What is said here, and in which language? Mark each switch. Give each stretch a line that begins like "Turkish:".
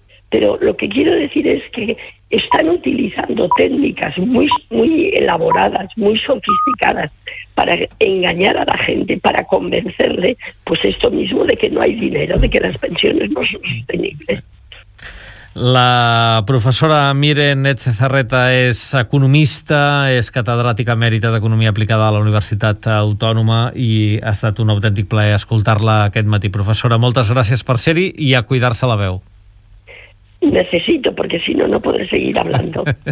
Spanish: Pero lo que quiero decir es que están utilizando técnicas muy, muy elaboradas, muy sofisticadas, para engañar a la gente, para convencerle, pues esto mismo, de que no hay dinero, de que las pensiones no son sostenibles.
Catalan: La professora Miren Etxezarreta és economista, és catedràtica emèrita d'Economia Aplicada a la Universitat Autònoma i ha estat un autèntic plaer escoltar-la aquest matí. Professora, moltes gràcies per ser-hi i a cuidar-se la veu.
Spanish: Necesito, porque si no, no podré seguir hablando.